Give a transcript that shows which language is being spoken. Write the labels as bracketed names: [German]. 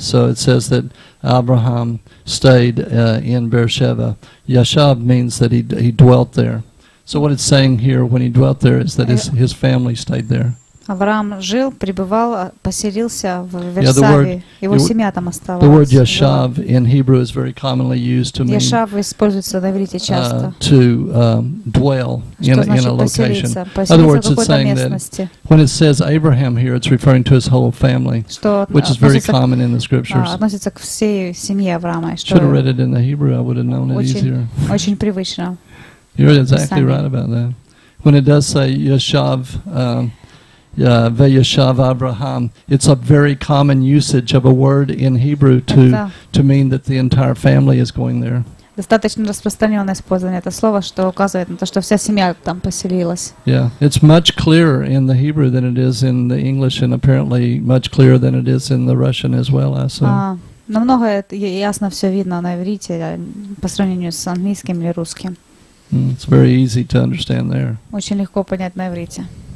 [English] So it says that Abraham stayed in Beersheba. Yashav means that he dwelt there. So what it's saying here, when he dwelt there, is that his family stayed there. [Russian] Авраам жил, пребывал, поселился в Версаве. Его семья там оставалась. [English] The word Yashav in Hebrew is very commonly used to mean. [Russian] Yashav используется на иврите часто. [English] To dwell in a location. In other words, it's saying that when it says Abraham here, it's referring to his whole family, which is very common in the scriptures. [Russian] Относится к всей семье Авраама. [English] Should have read it in the Hebrew. I would have known it easier. [Russian] Очень привычно. [English] You're exactly right about that. When it does say Yashav. Yeah, Ve'yashav Abraham. It's a very common usage of a word in Hebrew to mean that the entire family is going there. [Russian] Достаточно распространенное использование этого слова, что указывает на то, что вся семья там поселилась. [English] Yeah, it's much clearer in the Hebrew than it is in the English, and apparently much clearer than it is in the Russian as well. I assume. [Russian] Намного ясно все видно на иврите по сравнению с английским или русским. [English] It's very easy to understand there. [Russian] Очень легко понять на иврите.